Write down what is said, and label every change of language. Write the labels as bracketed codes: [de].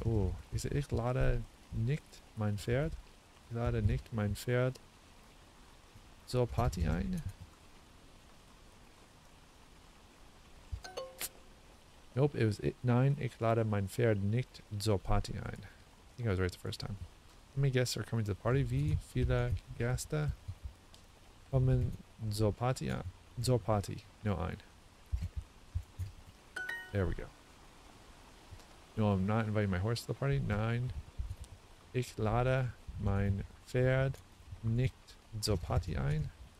[en] Oh, is it [de] ich lade nicht mein Pferd? Ich lade nicht mein Pferd zur Party ein? [en] Nope, it was it. [de] Nein, ich lade mein Pferd nicht zur Party ein. [en] I think I was right the first time. How many guests are coming to the party? [de] Wie viele Gäste kommen zur Party? Zur Party, no ein. [en] There we go. No, I'm not inviting my horse to the party. [de] Nein. Ich lade mein Pferd nicht zur Party ein.